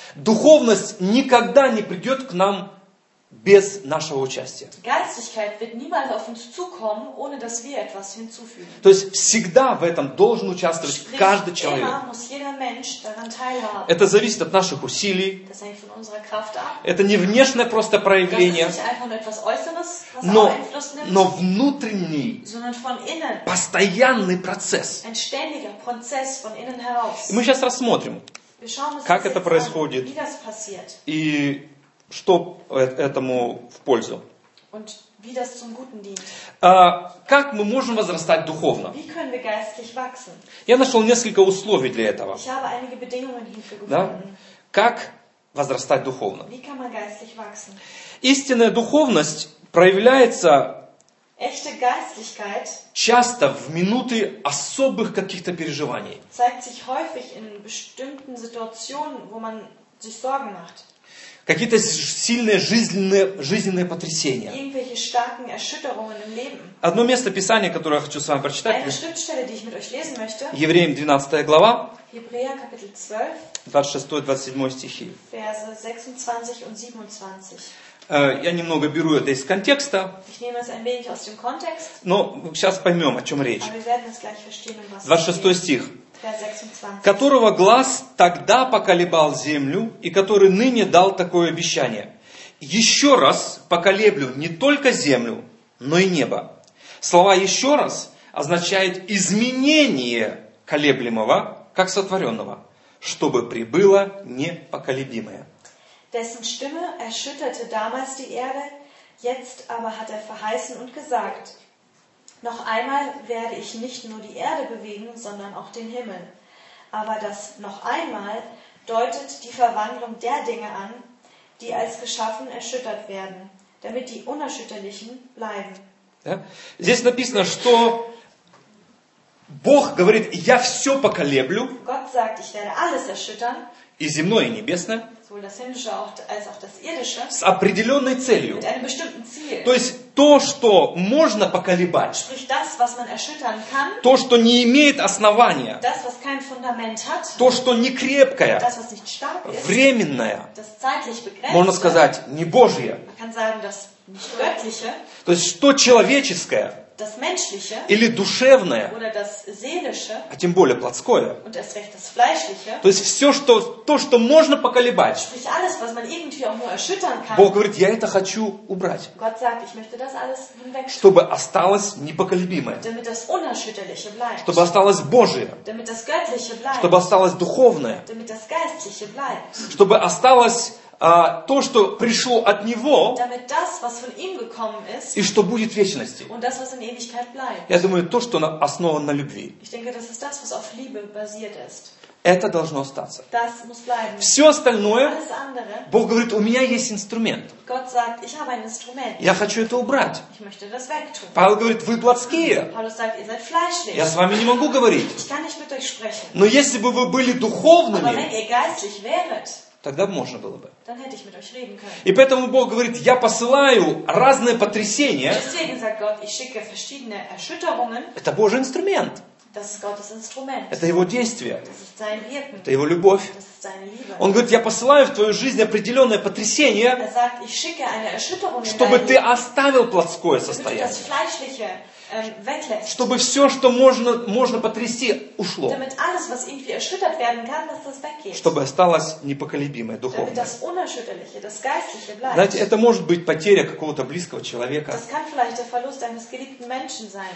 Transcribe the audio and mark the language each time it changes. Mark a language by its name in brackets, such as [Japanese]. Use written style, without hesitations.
[Russian] Духовность никогда не придет к нам без нашего участия. [German] Geistlichkeit wird niemals auf uns zukommen, ohne dass wir etwas hinzufügen. [Russian] То есть всегда в этом должен участвовать [German] Sprich, [Russian] каждый человек. [German] Immer muss jeder Mensch daran teilhaben. [Russian] Это зависит от наших усилий. [German] Das hängt von unserer Kraft ab. [Russian] Это не внешнее просто проявление. [German] Das ist nicht einfach nur etwas Äußeres, was [Russian] но, [German] Einfluss nimmt, [Russian] но внутренний [German] sondern von innen [Russian] постоянный процесс. [German] Ein ständiger Prozess von innen heraus. [Russian] И мы сейчас рассмотрим, [German] wir schauen, was [Russian] как это происходит. [German] Wie das passiert. [Russian] И что этому в пользу? [German] Und wie das zum Guten dient. [Russian] Как мы можем возрастать духовно? [German] Wie können wir geistlich wachsen? [Russian] Я нашел несколько условий для этого. [German] Ich habe einige Bedingungen hierfür gefunden. [Russian] Да? Как возрастать духовно? [German] Wie kann man geistlich wachsen? [Russian] Истинная духовность проявляется [German] Echte Geistlichkeit [Russian] часто в минуты особых каких-то переживаний. [German] Zeigt sich häufig in bestimmten Situationen, wo man sich Sorgen macht. [Russian] Какие-то сильные жизненные потрясения. [German] Irgendwelche starken Erschütterungen im Leben. [Russian] Одно место Писания, которое я хочу с вами прочитать. [German] Eine Schriftstelle, die ich mit euch lesen möchte. [Russian] Евреям 12 глава. [German] Hebräer Kapitel 12. [Russian] 26-27 стихи. [German] Verse 26 und 27. [Russian] Я немного беру это из контекста. [German] Ich nehme es ein wenig aus dem Kontext. [Russian] Но сейчас поймем, о чем речь. [German] Aber wir werden es gleich verstehen, um was [Russian] 26 стих. Которого глаз тогда поколебал землю, и который ныне дал такое обещание. Еще раз поколеблю не только землю, но и небо. Слова «еще раз» означает изменение колеблемого, как сотворенного, чтобы прибыло непоколебимое. [German] Dessen Stimme erschütterte damals die Erde, jetzt aber hat er verheißen und gesagt, Noch einmal werde ich nicht nur die Erde bewegen, sondern auch den Himmel. Aber das noch einmal deutet die Verwandlung der Dinge an, die als geschaffen erschüttert werden, damit die Unerschütterlichen bleiben. Ja. [Russian] Здесь написано, что Бог говорит, я все поколеблю. [German] Gott sagt, ich werde alles erschüttern. [Russian] И земное, и небесное. [German] Sowohl das himmlische als auch das irdische. [Russian] С определенной целью. [German] Mit einem bestimmten Ziel. [Russian] То есть то, что можно поколебать, [German] Sprich, das, was man erschüttern kann, [Russian] то, что не имеет основания, [German] das, was kein Fundament hat, [Russian] то, что не крепкое, [German] das, was nicht stark ist, [Russian] временное, [German] das zeitlich begrenzte, [Russian] можно сказать, не Божье, [German] man kann sagen, das nicht göttliche, [Russian] то есть что человеческое, [German] das menschliche, [Russian] или душевное, [German] oder das seelische, [Russian] а тем более плотское, [German] und erst recht das fleischliche, [Russian] то есть все, что, то, что можно поколебать, [German] Sprich, alles, was man irgendwie auch nur erschüttern kann, [Russian] Бог говорит, я это хочу убрать. [German] Gott sagt, ich möchte das alles hinweg, [Russian] чтобы осталось непоколебимое, [German] damit das unerschütterliche bleibt, [Russian] чтобы осталось Божие, [German] damit das göttliche bleibt, [Russian] чтобы осталось духовное, [German] damit das geistliche bleibt, [Russian] чтобы осталось то, что пришло от Него, [German] damit das, was von ihm gekommen ist, [Russian] и что будет в вечности. [German] Und das, was in Ewigkeit bleibt. [Russian] Я думаю, то, что основано на любви. [German] Ich denke, das ist das, was auf Liebe basiert ist. [Russian] Это должно остаться. [German] Das muss bleiben. [Russian] Все остальное, [German] alles andere, [Russian] Бог говорит, у меня есть инструмент. [German] Gott sagt, ich habe ein Instrument. [Russian] Я хочу это убрать. [German] Ich möchte das wegtun. [Russian] Павел говорит, вы плотские. [German] Paulus sagt, ihr seid fleischlich. [Russian] Я с вами не могу говорить. [German] Ich kann nicht mit euch sprechen. [Russian] Но если бы вы были духовными, [German] aber wenn ihr geistlich wäret, [Russian] тогда можно было бы. [German] Dann hätte ich mit euch reden können. [Russian] И поэтому Бог говорит, я посылаю разные потрясения. [German] Deswegen sagt Gott, ich schicke verschiedene Erschütterungen. [Russian] Это Божий инструмент. [German] Das ist Gottes Instrument. [Russian] Это его действие. [German] Das ist sein Wirken. [Russian] Это его любовь. [German] Das ist seine Liebe. [Russian] Он говорит, я посылаю в твою жизнь определенное потрясение, [German] sagt, ich schicke eine Erschütterung, [Russian] чтобы ты оставил плотское состояние. [German] Damit du das Fleischliche, weglässt. [Russian] Чтобы все, что можно потрясти, ушло. [German] Damit alles, was irgendwie erschüttert werden kann, dass das weggeht. [Russian] Чтобы осталось непоколебимое, духовное. [German] Damit das Unerschütterliche, das Geistliche bleibt. [Russian] Знаете, это может быть потеря какого-то близкого человека. [German] Das kann vielleicht der Verlust eines geliebten Menschen sein.